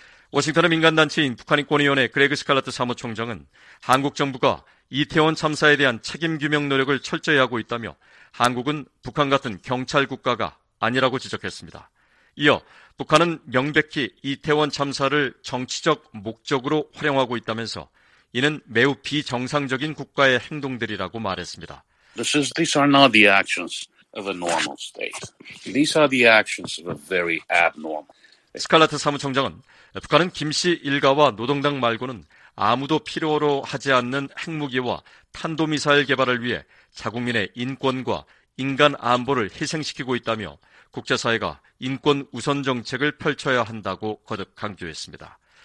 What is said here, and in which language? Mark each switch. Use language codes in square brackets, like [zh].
[ko] 워싱턴의 민간단체인 북한인권위원회 그레그 스칼라트 사무총장은 한국 정부가 이태원 참사에 대한 책임 규명 노력을 철저히 하고 있다며 한국은 북한 같은 경찰 국가가 아니라고 지적했습니다. 이어 북한은 명백히 이태원 참사를 정치적 목적으로 활용하고 있다면서 이는 매우 비정상적인 국가의 행동들이라고 말했습니다. [en] These are not the actions of a normal state. These are the actions of a very abnormal. [ko] 스칼라트 사무총장은 북한은 김씨 일가와 노동당 말고는 아무도 필요로 하지 않는 핵무기와 탄도미사일 개발을 위해 자국민의 인권과 인간 안보를 희생시키고 있다며 국제사회가 인권 우선 정책을 펼쳐야 한다고 거듭 강조했습니다.